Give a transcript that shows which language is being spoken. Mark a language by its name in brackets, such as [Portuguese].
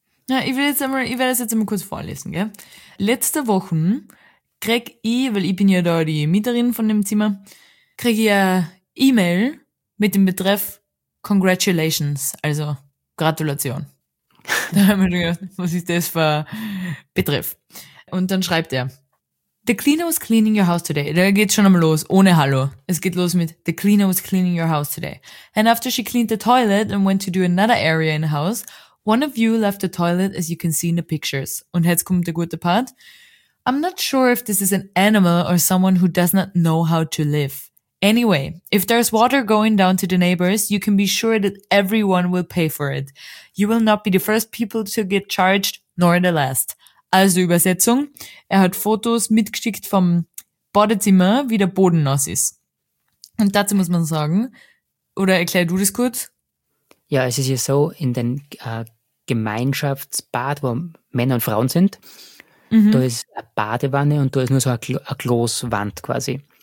[German] Ja, ich werde das jetzt einmal kurz vorlesen, gell? Letzte Woche krieg ich, weil ich bin ja da die Mieterin von dem Zimmer, krieg ich eine E-Mail mit dem Betreff Congratulations, also Gratulation. Da haben wir schon gedacht, was ist das für Betreff? Und dann schreibt er: [English] The cleaner was cleaning your house today. [German] Da geht's schon einmal los, ohne Hallo. Es geht los mit: [English] The cleaner was cleaning your house today. And after she cleaned the toilet and went to do another area in the house, one of you left the toilet as you can see in the pictures. Und jetzt kommt der gute Part. I'm not sure if this is an animal or someone who does not know how to live. Anyway, if there's water going down to the neighbors, you can be sure that everyone will pay for it. You will not be the first people to get charged, nor the last. [German] Also Übersetzung, er hat Fotos mitgeschickt vom Badezimmer, wie der Boden nass ist. Und dazu muss man sagen, oder erklär du das kurz? Ja, es ist ja so, in den Gemeinschaftsbad, wo Männer und Frauen sind, mhm, da ist eine Badewanne und da ist nur so eine Glaswand quasi.